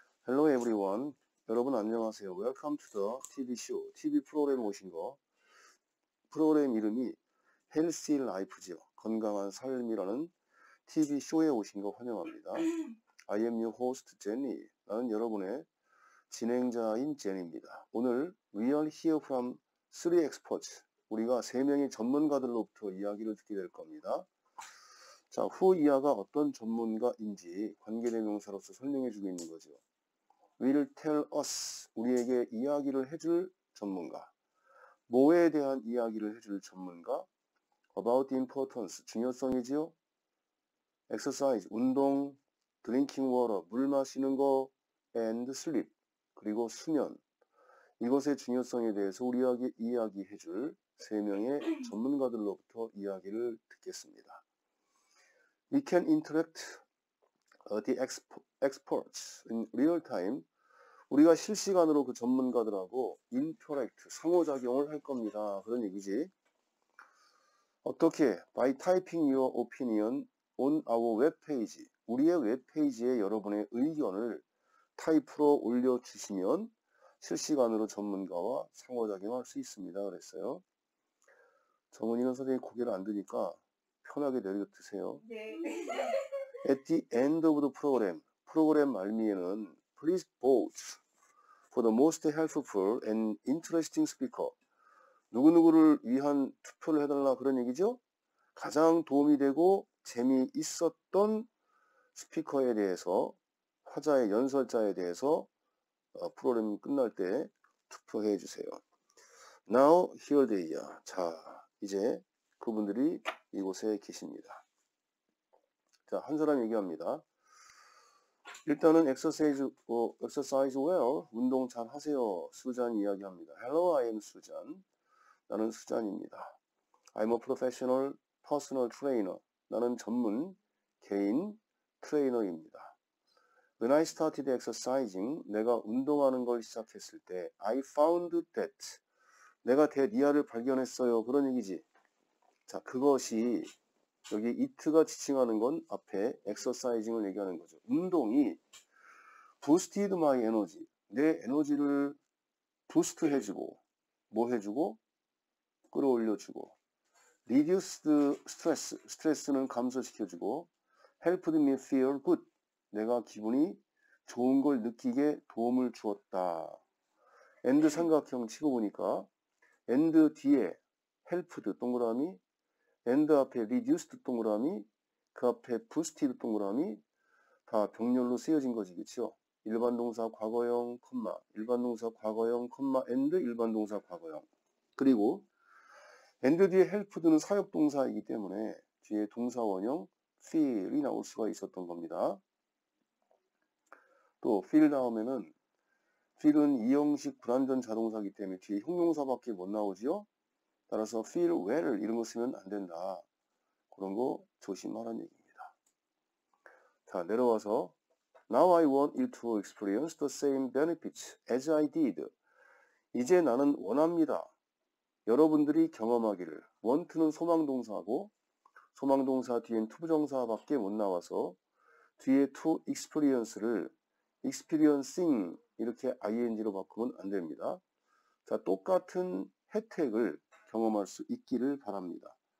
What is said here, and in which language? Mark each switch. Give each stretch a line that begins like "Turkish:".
English: Hello everyone.
Korean: 여러분 안녕하세요.
English: Welcome to the TV show.
Korean: TV 프로그램 오신 거. 프로그램 이름이 Healthy Life죠. 건강한 삶이라는 TV 쇼에 오신 거 환영합니다.
English: I am your host Jenny.
Korean: 나는 여러분의 진행자인 Jenny입니다.
English: 오늘 We are here from 3 experts.
Korean: 우리가 세 명의 전문가들로부터 이야기를 듣게 될 겁니다. 자, 후 이하가 어떤 전문가인지 관계대명사로서 설명해 주고 있는 거죠.
English: Will tell us,
Korean: 우리에게 이야기를 해줄 전문가. 뭐에 대한 이야기를 해줄 전문가.
English: About the importance, 중요성이지요.
Korean: Exercise, 운동,
English: drinking water,
Korean: 물 마시는 거,
English: and sleep,
Korean: 그리고 수면. 이것의 중요성에 대해서 우리에게 이야기해 줄 세 명의 전문가들로부터 이야기를 듣겠습니다.
English: We can interact the experts in real time.
Korean: 우리가 실시간으로 그 전문가들하고 interact, 상호작용을 할 겁니다. 그런 얘기지. 어떻게?
English: By typing your opinion on our webpage.
Korean: 우리의 웹페이지에 여러분의 의견을 타이프로 올려주시면 실시간으로 전문가와 상호작용할 수 있습니다. 그랬어요. 정은이는 선생님 고개를 안 드니까 편하게 내려 드세요. 네.
English: At the end of the program,
Korean: 프로그램 말미에는
English: Please vote for the most helpful and interesting speaker.
Korean: 누구누구를 위한 투표를 해달라 그런 얘기죠? 가장 도움이 되고 재미있었던 스피커에 대해서 화자의 연설자에 대해서 프로그램 끝날 때 투표해 주세요.
English: Now, here they are. 자.
Korean: 이제 그분들이 이곳에 계십니다. 자, 한 사람 얘기합니다. 일단은
English: exercise well,
Korean: 운동 잘 하세요. 수잔 이야기합니다.
English: Hello, I am 수잔.
Korean: 나는 수잔입니다.
English: I'm a professional personal trainer.
Korean: 나는 전문 개인 트레이너입니다.
English: When I started exercising,
Korean: 내가 운동하는 걸 시작했을 때,
English: I found that
Korean: 내가 대니아를 발견했어요. 그런 얘기지. 자, 그것이 여기 it가 지칭하는 건 앞에 exercising을 얘기하는 거죠.
English: 운동이 boosted my energy.
Korean: 내 에너지를 boost 해주고 뭐 해주고 끌어올려주고
English: reduced stress.
Korean: 스트레스는 감소시켜주고
English: helped me feel good.
Korean: 내가 기분이 좋은 걸 느끼게 도움을 주었다. and 삼각형 치고 보니까 and 뒤에 helped 동그라미, and 앞에 reduced 동그라미, 그 앞에 boosted 동그라미 다 병렬로 쓰여진 거지, 그렇죠? 일반 동사 과거형 콤마, 일반 동사 과거형 콤마 and 일반 동사 과거형. 그리고 and 뒤에 helped는 사역 동사이기 때문에 뒤에 동사 원형 feel이 나올 수가 있었던 겁니다. 또 feel 다음에는 feel은 2형식 불완전 자동사이기 때문에 뒤에 형용사밖에 못 나오지요. 따라서 feel well 이런 거 쓰면 안 된다. 그런 거 조심하라는 얘기입니다. 자, 내려와서
English: Now I want you to experience the same benefits as I did.
Korean: 이제 나는 원합니다. 여러분들이 경험하기를. want는 소망동사고 소망동사 뒤엔 to 부정사밖에 못 나와서 뒤에 to experience를 experiencing 이렇게 ing로 바꾸면 안 됩니다. 자, 똑같은 혜택을 경험할 수 있기를 바랍니다.